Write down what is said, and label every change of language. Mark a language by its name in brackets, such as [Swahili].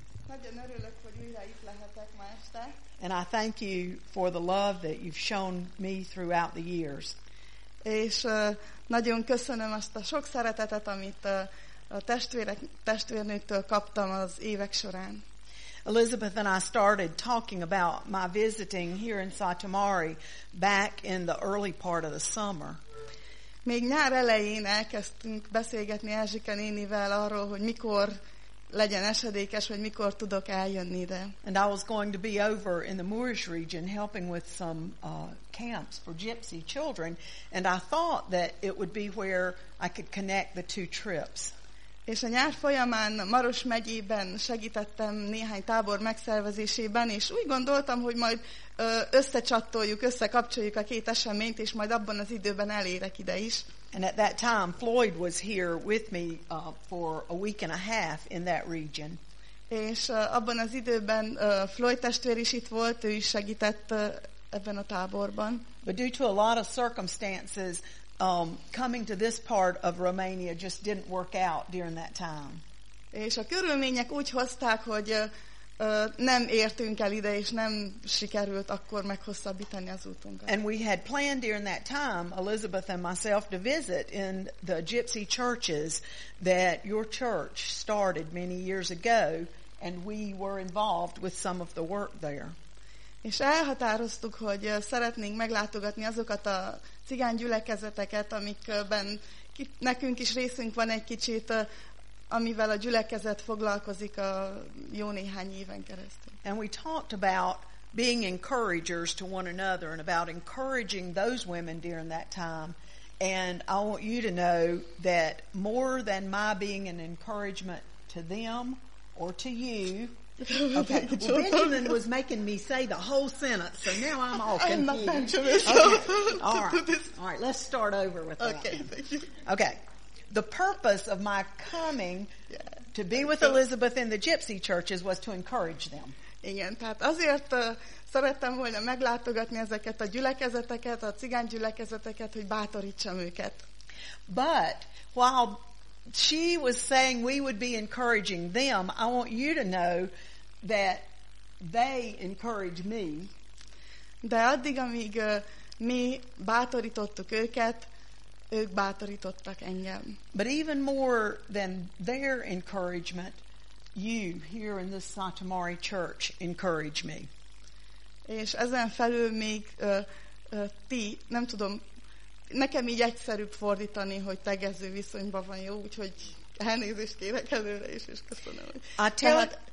[Hungarian] Nagyon örülök, hogy újra itt lehetek ma este. [English] And I thank you for the love that you've shown me throughout the years. [Hungarian] És nagyon köszönöm azt a sok szeretetet, amit a testvérnőktől kaptam az évek során. [English] Elizabeth and I started talking about my visiting here in Satomari back in the early part of the summer. [Hungarian] Még nyár elején elkezdtünk beszélgetni Erzsika nénivel arról, hogy mikor legyen esedékes, vagy mikor tudok eljönni ide. [English] And I was going to be over in the Moorish region helping with some camps for gypsy children, and I thought that it would be where I could connect the two trips. [Hungarian] És a nyár folyamán Maros megyében segítettem néhány tábor megszervezésében, és úgy gondoltam, hogy majd összecsattoljuk, összekapcsoljuk a két eseményt, és majd abban az időben elérek ide is. [English] And at that time, Floyd was here with me for a week and a half in that region. [Hungarian] És abban az időben Floyd testvér is itt volt, ő is segített ebben a táborban. [English] But due to a lot of circumstances, coming to this part of Romania just didn't work out during that time. [Hungarian] És a körülmények úgy hozták, hogy nem értünk el ide, és nem sikerült akkor meghosszabbítani az útunkat. [English] And we had planned during that time, Elizabeth and myself, to visit in the gypsy churches that your church started many years ago, and we were involved with some of the work there. [Hungarian] És elhatároztuk, hogy szeretnénk meglátogatni azokat a cigány gyülekezeteket, amikben nekünk is részünk van egy kicsit, amivel a gyülekezet foglalkozik a jó néhány éven keresztül. [English] And we talked about being encouragers to one another and about encouraging those women during that time. And I want you to know that more than my being an encouragement to them or to you, okay. Well, Benjamin was making me say the whole sentence, so now I'm all confused. All right, let's start over with that. Okay, thank you. Okay, the purpose of my coming to be with Elizabeth in the gypsy churches was to encourage them. [Hungarian] Igen, tehát azért szerettem volna meglátogatni ezeket a gyülekezeteket, a cigány gyülekezeteket, hogy bátorítsam őket. [English] But while she was saying we would be encouraging them, I want you to know that they encourage me. [Hungarian] De addig, amíg mi bátorítottuk őket, ők bátorítottak engem. [English] But even more than their encouragement, you here in the Satomari Church encourage me. [Hungarian] És ezen felül még ti, nem tudom, nekem így egyszerűbb fordítani, hogy tegező viszonyban van, jó, úgyhogy elnézést kérek előre is, és köszönöm.